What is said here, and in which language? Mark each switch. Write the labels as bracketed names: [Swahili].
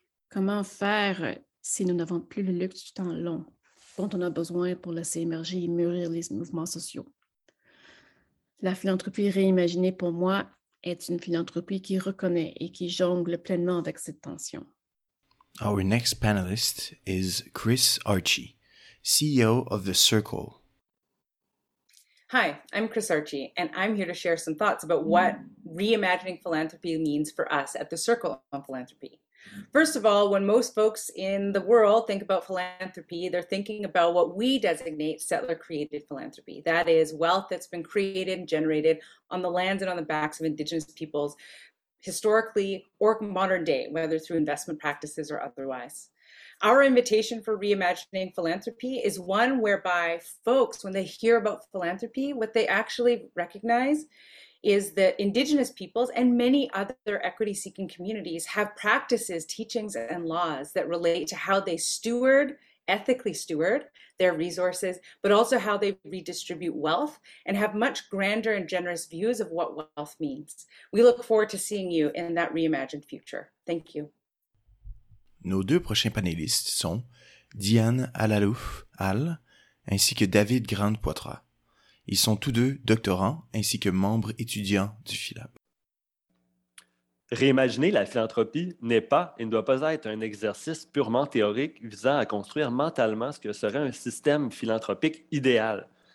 [French] Comment faire si nous n'avons plus le luxe du temps long dont on a besoin pour laisser émerger et mûrir les mouvements sociaux? La philanthropie réimaginée pour moi est une philanthropie qui reconnaît et qui jongle pleinement avec cette tension. [English] Our next panelist is Chris Archie, CEO of The Circle. Hi, I'm Chris Archie, and I'm here to share some thoughts about what reimagining philanthropy means for us at The Circle on Philanthropy. First of all, when most folks in the world think about philanthropy, they're thinking about what we designate settler-created philanthropy. That is wealth that's been created and generated on the lands and on the backs of Indigenous peoples, historically or modern day, whether through investment practices or otherwise. Our invitation for reimagining philanthropy is one whereby folks, when they hear about philanthropy, what they actually recognize is that Indigenous peoples and many other equity-seeking communities have practices, teachings, and laws that relate to how they steward, ethically steward, their resources, but also how they redistribute wealth and have much grander and generous views of what wealth means. We look forward to seeing you in that reimagined future. Thank you. [French] Nos deux prochains panélistes sont Diane Alalouf-Al ainsi que David Grande-Poitras. Ils sont tous deux doctorants ainsi que membres étudiants du PhilHAB. Réimaginer la philanthropie n'est pas et ne doit pas être un exercice purement théorique visant à construire mentalement ce que serait un système philanthropique idéal.